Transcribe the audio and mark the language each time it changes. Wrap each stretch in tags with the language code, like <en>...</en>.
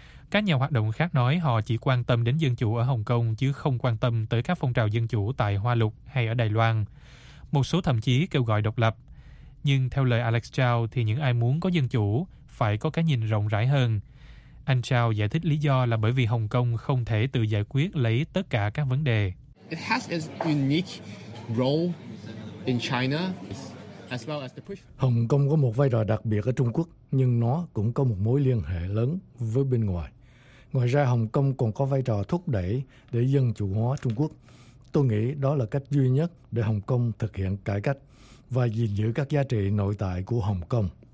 <vi>Các nhà hoạt động khác nói họ chỉ quan tâm đến dân chủ ở Hồng Kông chứ không quan tâm tới các phong trào dân chủ tại Hoa Lục hay ở Đài Loan. Một số thậm chí kêu gọi độc lập. Nhưng theo lời Alex Chow thì những ai muốn có dân chủ phải có cái nhìn rộng rãi hơn. Anh Chow giải thích lý do là bởi vì Hồng Kông không thể tự giải quyết lấy tất cả các vấn đề.</vi> <en>It has a unique role in China.</en> <vi>Hồng Kông có một vai trò đặc biệt ở Trung Quốc, nhưng nó cũng có một mối liên hệ lớn với bên ngoài. Ngoài ra, Hồng Kông còn có vai trò thúc đẩy để dân chủ hóa Trung Quốc. Tôi nghĩ đó là cách duy nhất để Hồng Kông thực hiện cải cách và gìn giữ các giá trị nội tại của Hồng Kông.</vi>